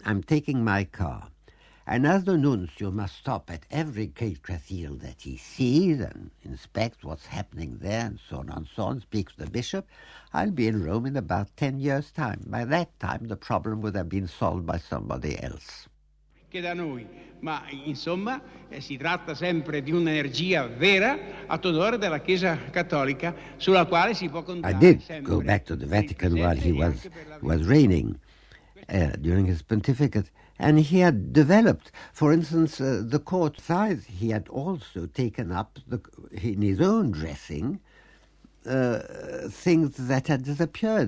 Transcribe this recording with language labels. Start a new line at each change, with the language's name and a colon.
English: I'm taking my car. And as the nuncio must stop at every great cathedral that he sees and inspects what's happening there and so on, speaks to the bishop, I'll be in Rome in about 10 years' time. By that time, the problem would have been solved by somebody else.
Italian: che da noi, ma insomma si tratta sempre di un'energia vera a tutore della Chiesa Cattolica sulla quale si può contare.
English: I did go back to the Vatican while he was reigning during his pontificate, and he had developed, for instance, the court size. He had also taken up in his own dressing things that had disappeared.